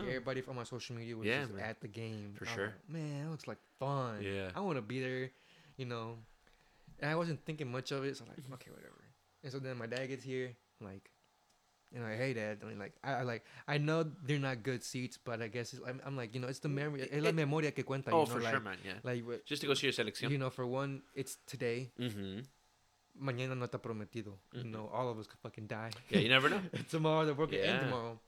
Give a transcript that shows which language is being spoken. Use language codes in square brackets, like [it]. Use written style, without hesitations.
[en] Like, everybody from my social media was at the game. For sure. Like, man, it looks like fun. Yeah. I want to be there, And I wasn't thinking much of it, so I'm like, okay, whatever. And so then my dad gets here, like, hey, Dad. I mean, like, I know they're not good seats, but I guess I'm like, it's the memory. [es] Es la memoria que cuenta. [en] Oh, for sure, man. Yeah. Like, just to go see your selección. For one, it's today. Mm-hmm. [es] Mañana no está prometido. [en] Mm-hmm. All of us could fucking die. Yeah, you never know. Tomorrow, the world could end tomorrow.